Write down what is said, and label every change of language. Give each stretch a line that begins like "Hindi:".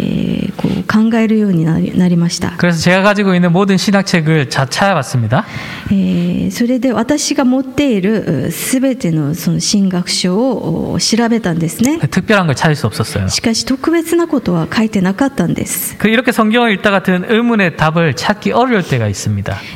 Japanese: メッセージの準備をしていた時にですね、どうして38年なのかなっていうことに考えるようになりました。
Korean: 그래서 제가 가지고 있는 모든 신학책을 찾아봤습니다.
Japanese: それで私が持っているすべてのその神学書を調べたんですね。
Korean: 특별한 걸 찾을 수 없었어요.
Japanese: しかし特別なことは書いてなかったんです。
Korean: 이렇게 성경을 읽다 같은 의문의 답을 찾기 어려울 때가 있습니다.